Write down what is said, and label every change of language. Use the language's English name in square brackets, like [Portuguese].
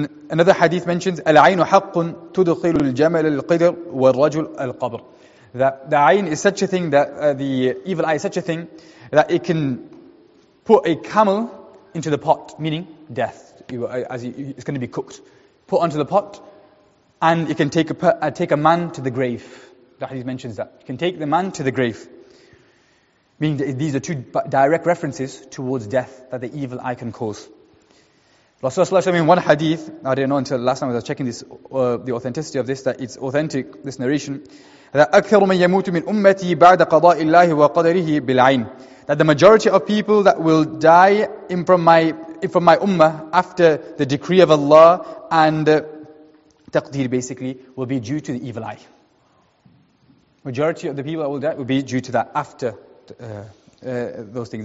[English] Another hadith mentions [Arabic] العين حق تدخل الجمل القدر والرجل القبر. [English] That the عين is such a thing that the evil eye is such a thing that it can put a camel into the pot, meaning death, it's going to be cooked, put onto the pot, and it can take a man to the grave. The hadith mentions that. You can take the man to the grave. Meaning these are two direct references towards death that the evil eye can cause. Rasulullah in one hadith, I didn't know until last time I was checking this, the authenticity of this, that it's authentic, this narration. [Arabic] That أكثر من يموت من أمتي بعد قضاء الله وقدره بالعين. [English] That the majority of people that will die from my ummah after the decree of Allah and taqdeer basically will be due to the evil eye. Majority of the people that will die will be due to that after those things.